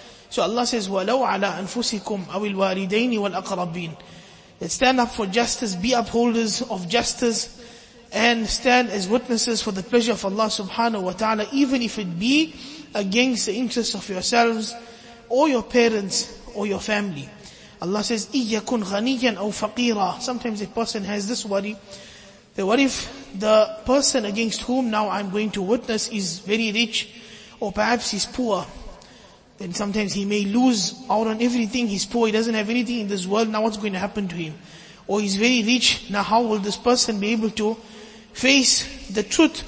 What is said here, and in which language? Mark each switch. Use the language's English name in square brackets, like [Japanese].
[English] So Allah says, [Arabic] وَلَوْ عَلَىٰ أَنفُسِكُمْ أَوِ الْوَالِدَيْنِ وَالْأَقْرَبِينَ, [English] that stand up for justice, be upholders of justice and stand as witnesses for the pleasure of Allah subhanahu wa ta'ala, even if it be against the interest of yourselves or your parents or your family. Allah says, [Arabic] إِيَّكُنْ غَنِيًّا أَوْ فَقِيرًا. [English] Sometimes a person has this worry, that what if the person against whom now I'm going to witness is very rich, or perhaps he's poor. Then sometimes he may lose out on everything. He's poor, he doesn't have anything in this world. Now what's going to happen to him? Or he's very rich. Now how will this person be able to face the truth?